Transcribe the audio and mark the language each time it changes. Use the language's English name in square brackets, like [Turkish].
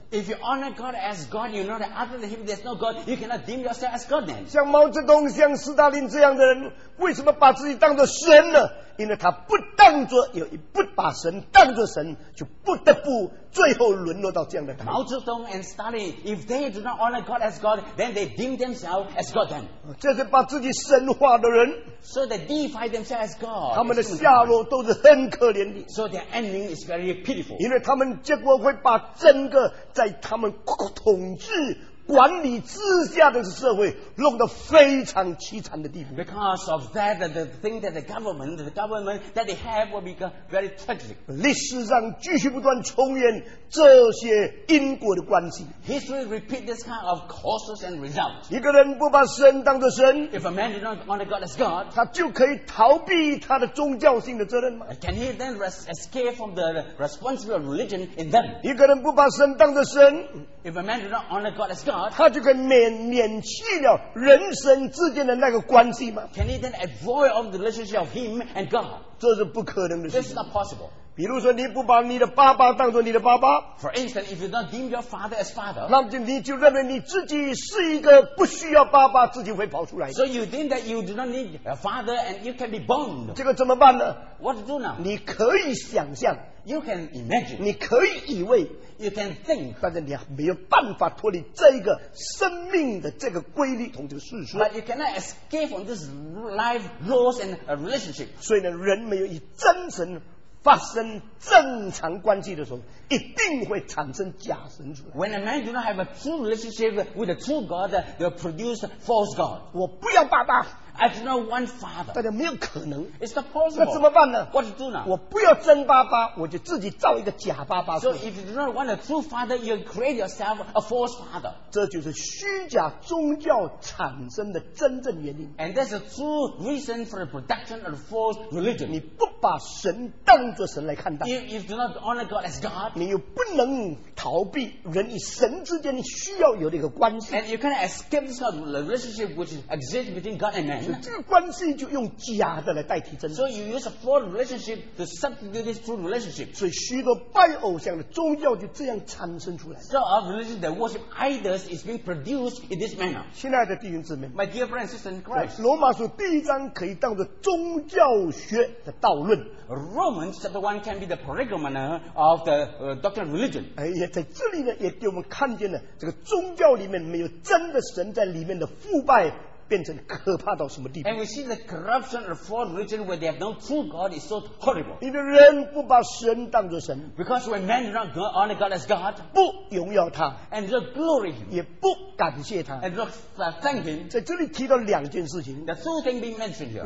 [English] If you honor God as God, you know that other than Him, there's no God. You cannot deem yourself as God then. [Chinese] 像毛泽东、像斯大林这样的人，为什么把自己当作神呢？因为他不当作，也不把神当作神，就不得不最后沦落到这样的。 [English] 毛泽东 and Stalin, if they do not honor God as God, then they deem themselves as God then. [Chinese] 这是把自己神化的人。 [English] So they deify themselves as God. [Chinese] 他们的下落都是很可怜的。 [English] So their ending is very pitiful. [Chinese] 因为他们结果会把整个在他们统治管理之下的社会弄得非常凄惨的地步。 [English] Because of that, the thing that the government that they have will become very tragic. [Chinese] 历史上继续不断重演这些因果的关系。 [English] History repeat this kind of causes and results. [Chinese] 一个人不把神当作神， [English] if a man does not honor God as God, [Chinese] 他就可以逃避他的宗教性的责任吗？ [English] Can he then escape from the responsibility of religion in them? [Chinese] 一个人不把神当作神， [English] if a man does not honor God as God, [Chinese] 他就可以免去了人神之间的那个关系吗？ [English] Can he then avoid all the relationship of him and God? [Chinese] 这是不可能的事情。 [English] This is not possible. [Chinese] 比如说，你不把你的爸爸当作你的爸爸。 [English] For instance, if you don't deem your father as father, [Chinese] 那么你就认为你自己是一个不需要爸爸，自己会跑出来的。 [English] So you think that you do not need a father and you can be born. [Chinese] 这个怎么办呢？ [English] What to do now? [Chinese] 你可以想象。 [English] You can imagine. [Chinese] 你可以以为。 [English] You can think. [Chinese] 但是你没有办法脱离这个生命的这个规律同这个事实。 [English] But you cannot escape from this life laws and a relationship. [Chinese] 所以呢，人没有以真神发生正常关系的时候，一定会产生假神出来。 [English] When a man do not have a true relationship with the true God, they will produce false God. [Chinese] 我不要爸爸。 [English] I do not want father. [Chinese] 但是没有可能。 [English] It's not possible. [Chinese] 那怎么办呢？ [English] What to do now? [Chinese] 我不要真爸爸，我就自己造一个假爸爸。 [English] So if you do not want a true father, you create yourself a false father. [Chinese] 这就是虚假宗教产生的真正原因。 [English] And that's a true reason for the production of false religion. [Chinese] 你不把神当作神来看待。 [English] If you do not honor God as God, [Chinese] 你又不能逃避人与神之间需要有的一个关系。 [English] And you cannot escape this kind of relationship which exists between God and man. [Chinese] 这个关系就用假的来代替真的。 [English] So you use a false relationship to substitute this true relationship. [Chinese] 所以许多拜偶像的宗教就这样产生出来。 [English] So our religion that worship idols is being produced in this manner. [Chinese] 亲爱的弟兄姊妹 [English] ，My dear friends, sisters in Christ. [Chinese] 罗马书第一章可以当作宗教学的导论。 [English] Romans chapter 1 can be the prolegomena of the doctrine of religion. [Chinese] 也在这里呢，也给我们看见了这个宗教里面没有真的神在里面的腐败变成可怕到什么地步。 [English] And we see the corruption of false religion where they have no true God is so horrible. [Chinese] 因为人不把神当作神。 [English] Because when men do not honor God as God, [Chinese] 不荣耀他。 [English] And do not glory him. [Chinese] 也不感谢他。 [English] And do not thank him. [Chinese] 在这里提到两件事情。 [English] The two things being mentioned here.